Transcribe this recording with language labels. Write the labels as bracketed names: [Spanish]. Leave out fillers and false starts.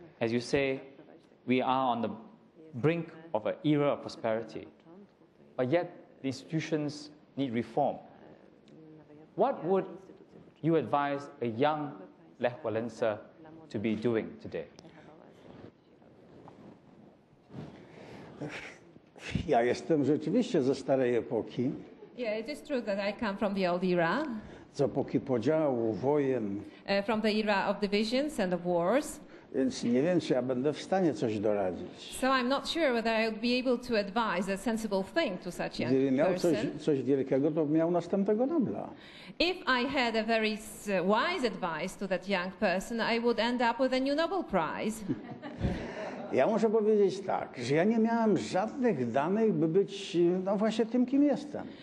[English] as you say, we are on the brink of an era of prosperity, but yet the institutions need reform. What would you advise a young Lech Walesa to be doing today? [Polish] Ja jestem rzeczywiście ze starej epoki. [English] Yeah, it is true that I come from the old era. [Polish] Z epoki podziału, wojen. [English] From the era of divisions and of wars. [Polish] Więc nie wiem, czy ja będę w stanie coś doradzić. [English] So I'm not sure whether I would be able to advise a sensible thing to such a person. [Polish] Gdybym miał coś wielkiego, to miał następnego Nobla. [English] If I had a very wise advice to that young person, I would end up with a new Nobel Prize. [Polish] Ja muszę powiedzieć tak, że ja nie miałem żadnych danych, by być no właśnie tym, kim jestem.